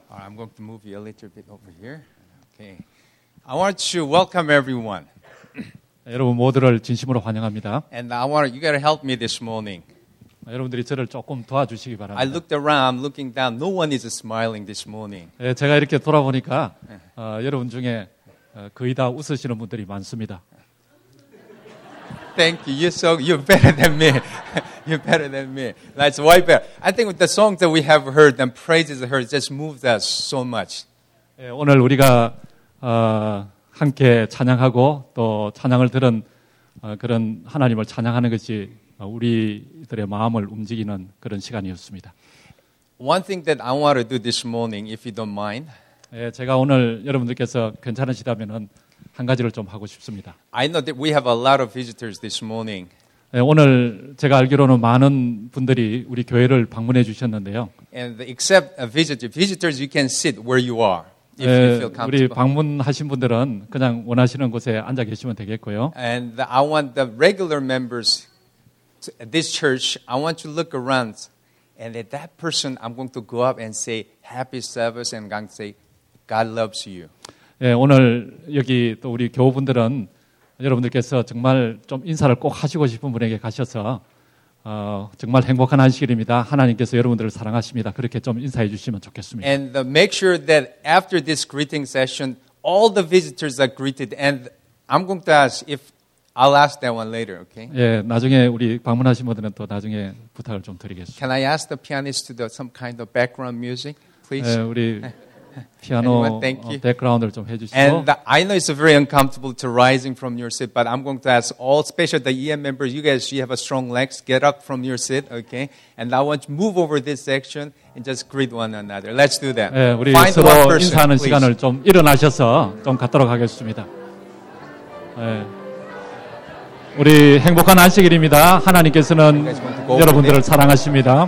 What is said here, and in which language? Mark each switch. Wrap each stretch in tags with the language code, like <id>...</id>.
<en>I'm going to move you a little bit over here. Okay. I want to welcome everyone.</en> <ko>여러분 모두를 진심으로 환영합니다.</ko> <en>And I want you got to help me this morning.</en> <ko>여러분들이 저를 조금 도와주시기 바랍니다.</ko> <en>I looked around, I'm looking down. No one is smiling this morning.</en> <ko>제가 이렇게 돌아보니까 여러분 중에 거의 다 웃으시는 분들이 많습니다.</ko> <en>Thank you. You're better than me. You're better than me. That's way better. I think with the songs that we have heard and praises heard just moved us so much.</en> <ko>오늘 우리가 함께 찬양하고 또 찬양을 들은 그런 하나님을 찬양하는 것이 우리들의 마음을 움직이는 그런 시간이었습니다.</ko> <en>One thing that I want to do this morning, if you don't mind.</en> <ko>예, 제가 오늘 여러분들께서 괜찮으시다면은 한 가지를 좀 하고 싶습니다.</ko> <en>I know that we have a lot of visitors this morning.</en> <ko>예, 오늘 제가 알기로는 많은 분들이 우리 교회를 방문해 주셨는데요.</ko> <en>And except a visitors, you can sit where you are. If you feel comfortable.</en> <ko>우리 방문하신 분들은 그냥 원하시는 곳에 앉아 계시면 되겠고요.</ko> <en>And I want the regular members at this church. I want you to look around, and at that person, I'm going to go up and say happy service, and I'm going to say God loves you.</en> <ko>예, 오늘 여기 또 우리 교우분들은 여러분들께서 정말 좀 인사를 꼭 하시고 싶은 분에게 가셔서 정말 행복한 안식일입니다. 하나님께서 여러분들을 사랑하십니다. 그렇게 좀 인사해 주시면 좋겠습니다.</ko> <en>And the, make sure that after this greeting session, all the visitors are greeted. And I'm going to ask if I'll ask that one later, okay?</en> <ko>예, 나중에 우리 방문하신 분들은 또 나중에 부탁을 좀 드리겠습니다.</ko> <en>Can I ask the pianist to do some kind of background music, please?</en> <ko>예, 우리 피아노 백그라운드를 좀 해주시고.</ko> <en>And the, I know it's very uncomfortable to rising from your seat, but I'm going to ask all special the EM members. You guys, you have a strong legs. Get up from your seat, okay? And I want to move over this section and just greet one another. Let's do that.</en> <ko>네, 우리 Find 서로</ko> <en>one person,</en> <ko>인사하는 please. 시간을 좀 일어나셔서 좀 갖도록 하겠습니다. 네. 우리 행복한 안식일입니다. 하나님께서는 여러분들을 사랑하십니다.</ko>